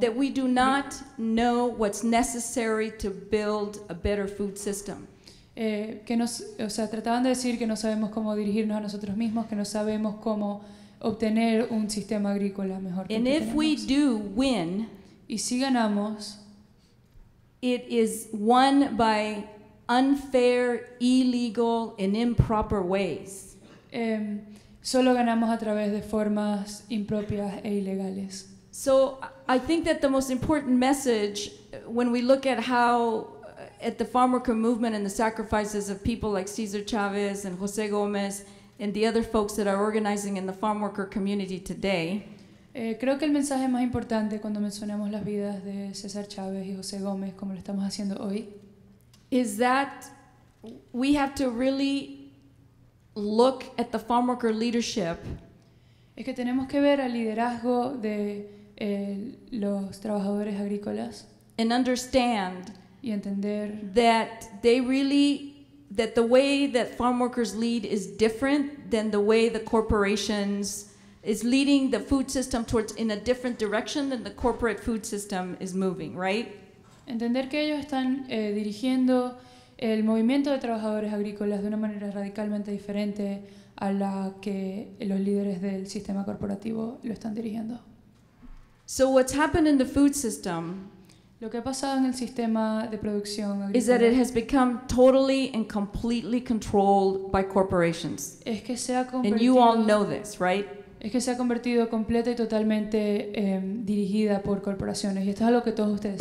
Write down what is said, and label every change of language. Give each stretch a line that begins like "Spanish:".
English: That we do not know what's necessary to build a better food system.
Spanish: Trataban de decir que no sabemos cómo dirigirnos a nosotros mismos, que no sabemos cómo obtener un sistema agrícola mejor.
English: And if we do win,
Spanish: y si ganamos,
English: it is won by unfair, illegal, and improper ways.
Spanish: Solo ganamos a través de formas impropias e ilegales.
English: So I think that the most important message when we look at how at the farmworker movement and the sacrifices of people like Cesar Chavez and José Gómez and the other folks that are organizing in the farmworker community today.
Spanish: Creo que el mensaje más importante cuando mencionamos las vidas de César Chávez y José Gómez, como lo estamos haciendo hoy,
English: is that we have to really look at the farmworker leadership.
Spanish: Es que tenemos que ver al liderazgo de los trabajadores agrícolas.
English: And understand
Spanish: y entender
English: that they really, that the way that farm workers lead is different than the way the corporations is leading the food system towards in a different direction than the corporate food system is moving, right?
Spanish: Entender que ellos están dirigiendo el movimiento de trabajadores agrícolas de una manera radicalmente diferente a la que los líderes del sistema corporativo lo están dirigiendo.
English: So what's happened in the food system?
Spanish: Lo que ha pasado en el sistema de producción agrícola
English: is that it has become totally and completely controlled by corporations.
Spanish: Es que se ha convertido,
English: and you all know this, right?
Spanish: Es que se ha convertido completa y totalmente dirigida por corporaciones. Y esto es algo que todos ustedes